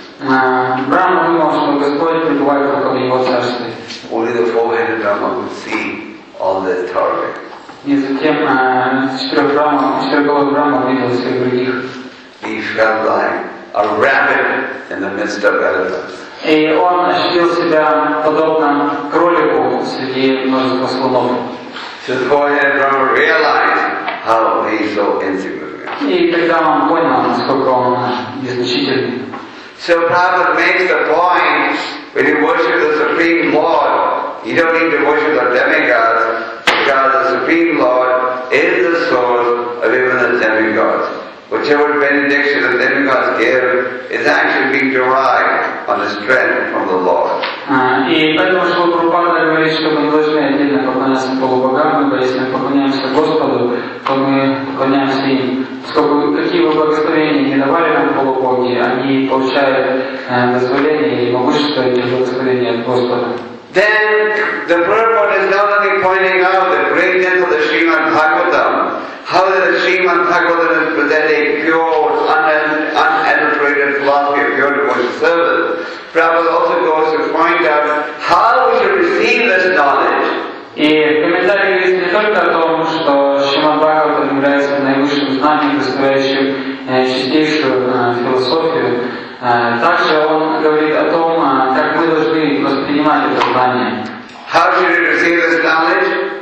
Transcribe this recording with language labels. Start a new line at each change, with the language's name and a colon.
Russian: Брахма думал, что Господь пребывает только в его царстве.
English: Only the four-headed Brahma could see all the authority.
Russian: И затем четырехглавый Брахма увидел всех других.
English: He felt like a rabbit in the midst of elephants.
Russian: И он ощутил себя подобно кролику среди множества слонов.
English: So the four-headed Brahma realized how he's so insignificant.
Russian: И тогда он понял, насколько он незначительный.
English: So Prabhupada makes the point, when you worship the Supreme Lord, you don't need to worship the demigods, because the Supreme Lord is the source of even the demigods. Whichever benediction the demigods give is actually being derived on the strength from the Lord.
Russian: И поэтому Шрила Прабхупада говорит, что мы должны отдельно поклоняться полубогам, ибо если мы поклоняемся Господу, то мы поклоняемся им. Сколько, какие бы благословения не давали нам полубоги, они получают дозволение и могущество и благословение от Господа.
English: Then the Prabhupada is not only pointing out the greatness of the Srimad Bhagavatam, how the Srimad Bhagavatam is presenting pure, unadulterated philosophy of pure devotional service. Prabhupada also goes to point out how we should receive this knowledge.
Russian: И комментарий есть не только о том, что Шримад Бхагаватам является наивысшим знанием, представляющим чистейшую философию, также он говорит о том, как мы должны воспринимать это знание.
English: How should we receive this knowledge?